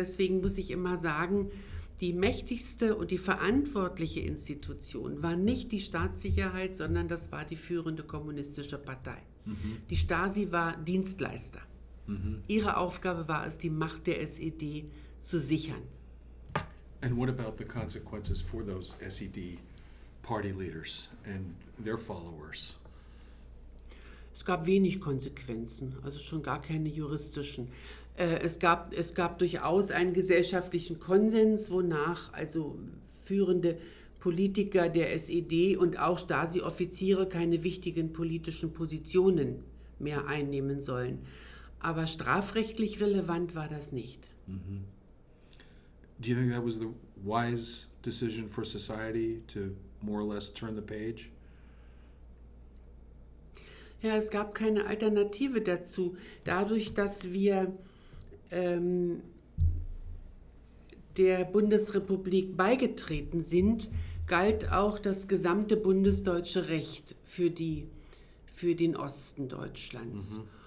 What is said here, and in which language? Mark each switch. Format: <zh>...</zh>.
<de>Deswegen muss ich immer sagen, die mächtigste und die verantwortliche Institution war nicht die Staatssicherheit, sondern das war die führende kommunistische Partei. Die Stasi war Dienstleister. Ihre Aufgabe war es, die Macht der SED zu sichern.</de> <en>And what about the consequences for those SED party leaders and their followers?</en> <de>Es gab wenig Konsequenzen, also schon gar keine juristischen. Es gab durchaus einen gesellschaftlichen Konsens, wonach also führende Politiker der SED und auch Stasi-Offiziere keine wichtigen politischen Positionen mehr einnehmen sollen. Aber strafrechtlich relevant war das nicht.</de> <en>Do you think that was the wise decision for society to more or less turn the page?</en> <de>Ja, es gab keine Alternative dazu. Dadurch, dass wir der Bundesrepublik beigetreten sind, galt auch das gesamte bundesdeutsche Recht für den Osten Deutschlands.</de>